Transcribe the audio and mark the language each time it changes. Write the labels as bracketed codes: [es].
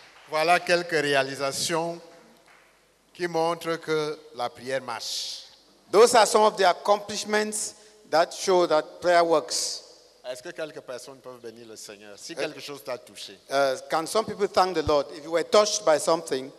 [fr] Voilà quelques réalisations qui montrent que la prière marche. [en] Those are some of the accomplishments that show that prayer works. [fr] Est-ce que quelques personnes peuvent bénir le Seigneur si quelque chose t'a touché? [en] Can some people thank the Lord if you were touched by something?